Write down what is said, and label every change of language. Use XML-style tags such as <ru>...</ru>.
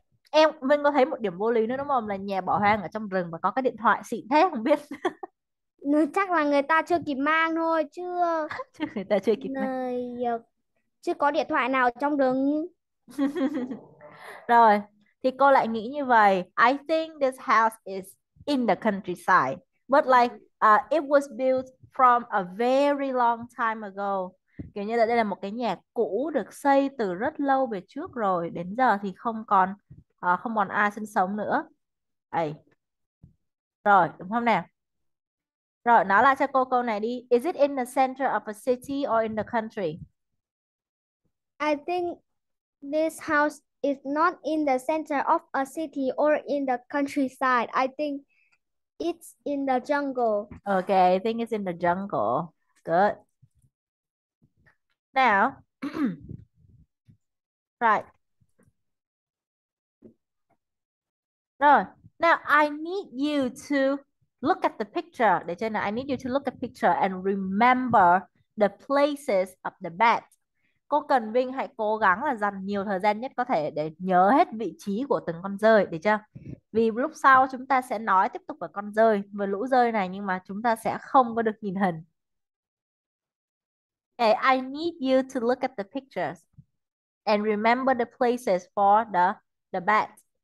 <vi>em Vinh có thấy một điểm vô lý nữa đúng không, là nhà bỏ hoang ở trong rừng mà có cái điện thoại xịn thế không biết. chắc là người ta chưa kịp mang thôi chưa Chứ người ta chưa kịp mang. chưa có điện thoại nào trong rừng. Rồi, thì cô lại nghĩ như vậy.</vi> <en>I think this house is in the countryside. But like, it was built from a very long time ago.</en> <vi>Kiểu như là đây là một cái nhà cũ được xây từ rất lâu về trước rồi. Đến giờ thì không còn ai sinh sống nữa. Ấy. Rồi, đúng không nào? Rồi, nói lại cho cô câu này đi.</vi> <en>Is it in the center of a city or in the country? I think this house is not in the center of a city or in the countryside. I think it's in the jungle. Okay, I think it's in the jungle. Good. Now, right. Now, I need you to look at the picture.</en> <vi>Để cho nào,</vi> <en>I need you to look at the picture and remember the places of the bat.</en> <vi>Cô cần Vinh hãy cố gắng là dành nhiều thời gian nhất có thể để nhớ hết vị trí của từng con dơi, được chưa? Vì lúc sau chúng ta sẽ nói tiếp tục về con dơi, về lũ dơi này nhưng mà chúng ta sẽ không có được nhìn hình.</vi> <en>Okay, I need you to look at the pictures and remember the places for the bats.</en>